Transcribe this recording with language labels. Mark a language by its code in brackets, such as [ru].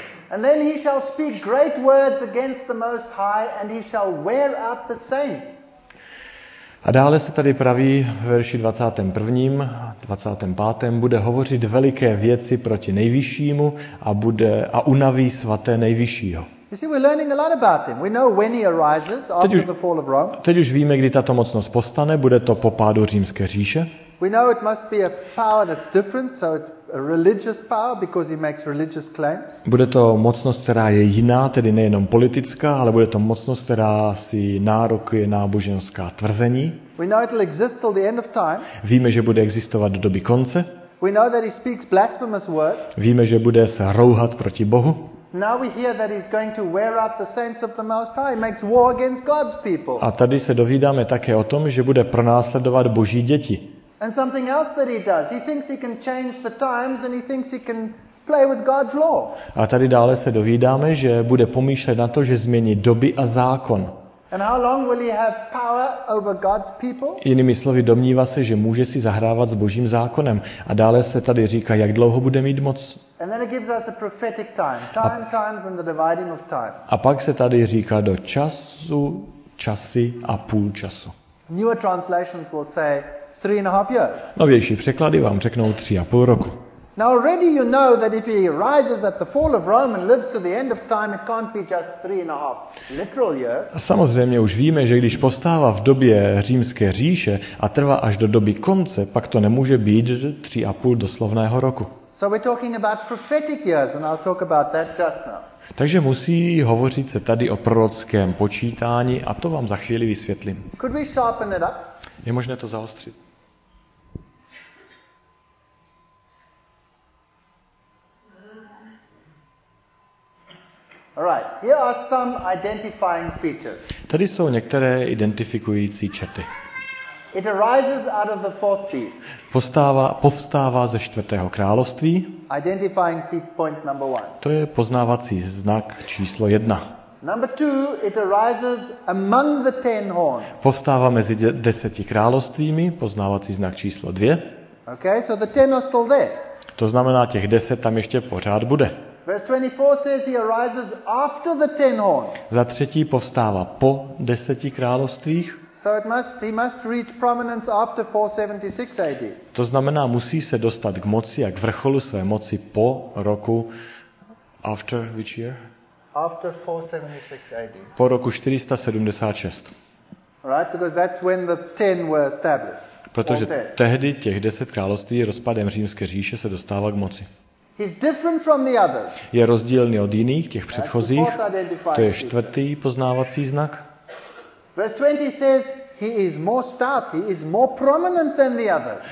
[en] And then he shall speak great words against the Most High, and he shall wear out the saints. [cs] A dále se tady praví v verši 21. a 25. bude hovořit veliké věci proti Nejvyššímu a unaví svaté Nejvyššího. [en] You see, we're learning a lot about him. We know when he arises after the fall of Rome. [cs] Teď už víme, kdy tato mocnost postane, bude to po pádu Římské říše. [en] We know it must be a power that's different, so it's a religious power because he makes religious claims. [cs] Bude to mocnost, která je jiná, tedy nejenom politická, ale bude to mocnost, která si nárokuje náboženská tvrzení. [en] We know it'll exist till the end of time. [cs] Víme, že bude existovat do doby konce. [en] We know that he speaks blasphemous words. [cs] Víme, že bude se rouhat proti Bohu. [en] Now we hear that he's going to wear out the saints of the Most High, makes war against God's people. [cs] A tady se dovídáme také o tom, že bude pronásledovat Boží děti. [en] And something else that he does. He thinks he can change the times and he thinks he can play with God's law. [cs] A tady dále se dovídáme, že bude pomýšlet na to, že změní doby a zákon. [en] And how long will he have power over God's people? [cs] Jinými slovy, domnívá se, že může si zahrávat s Božím zákonem. A dále se tady říká, jak dlouho bude mít moc. [en] And then it gives us a prophetic time from the dividing of time. [cs] A pak se tady říká do času, časy a půl času. [en] Newer translations will say 3.5 years. [cs] Novější překlady vám řeknou 3.5 roku. [en] Now already you know that if he rises at the fall of Rome and lives to the end of time, it can't be just 3.5 literal years. [cs] A samozřejmě už víme, že když postává v době Římské říše a trvá až do doby konce, pak to nemůže být 3.5 doslovného roku. [en] So we're talking about prophetic years, and I'll talk about that just now. [cs] Takže musí hovořit se tady o prorockém počítání a to vám za chvíli vysvětlím. [en] Could we sharpen it up? [cs] Je možné to zaostřit. [en] Right. Here are some identifying features. [cs] Tady jsou některé identifikující črty. [en] It arises out of the fourth chief. [cs] Povstává ze čtvrtého království. [en] Identifying point number one. [cs] To je poznávací znak číslo jedna. [en] Number two, it arises among the ten horns. [cs] Povstává mezi deseti královstvími, poznávací znak číslo dvě. [en] Okay, so the ten are still there. [cs] To znamená, těch deset tam ještě pořád bude. [en] Verse 24 says he arises after the ten horns. [cs] Za třetí povstává po deseti královstvích. [en] So it must, he must reach prominence after 476 AD. [cs] To znamená, musí se dostat k moci a k vrcholu své moci po roku [en] after which year? After 476 AD. [cs] Po roku 476. [en] Right, because that's when the ten were established. [cs] Protože tehdy těch deset království rozpadem Římské říše se dostává k moci. [en] He's different from the others. [cs] Je rozdílný od jiných, těch předchozích. To je čtvrtý poznávací znak. [en] Verse 20 says he is more stout, he is more prominent than the others.